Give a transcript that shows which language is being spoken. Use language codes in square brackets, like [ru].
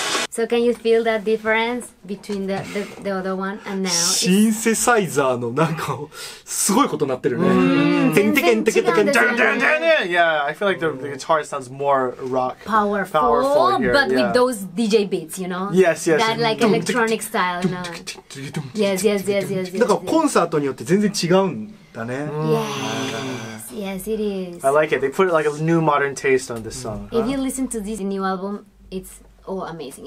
[en] So can you feel that difference between the other one and now? [ja] シンセサイザーのなんかすごいことなってるね。全然違うんですよね。 [en] Yeah, I feel like the guitar sounds more rock. Powerful but with those DJ beats, you know? Yes, yes. That like electronic style, you know? Yes, yes, yes, yes. [ja] だからコンサートによって全然違うんだね。 [en] Yes, it is. I like it. They put like a new modern taste on this song. If you listen to this new album, it's all amazing.